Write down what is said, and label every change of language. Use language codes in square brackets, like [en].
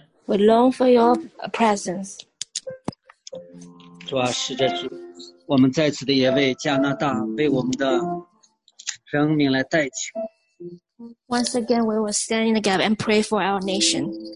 [en] We long for your presence. [zh] 主啊，是的，主，我们再次的也为加拿大为我们的人民来代求。 [en] Once again, we will stand in the gap and pray for our nation.